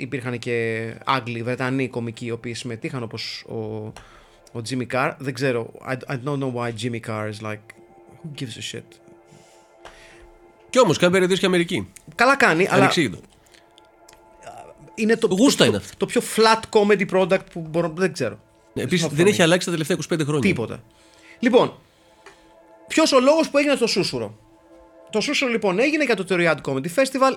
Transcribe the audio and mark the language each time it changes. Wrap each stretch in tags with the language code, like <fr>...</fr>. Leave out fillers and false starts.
<el>Υπήρχαν και Άγγλοι, Βρετανοί κωμικοί οι οποίοι συμμετείχαν, όπως ο Jimmy Carr. Δεν ξέρω,</el> <en>I don't know why Jimmy Carr is like, who gives a shit.</en> <el>Κι όμως κάνει περιοδίες και Αμερική. Καλά κάνει, αλλά ανεξήγητο. Είναι το πιο</el> <en>flat comedy product</en> <el>που μπορώ, δεν ξέρω. Επίσης δεν έχει αλλάξει τα τελευταία 25 χρόνια. Τίποτα. Λοιπόν, ποιος ο λόγος που έγινε στο Σούσουρο? Το Σούσουρο λοιπόν έγινε για το Riyadh Comedy Festival.</el>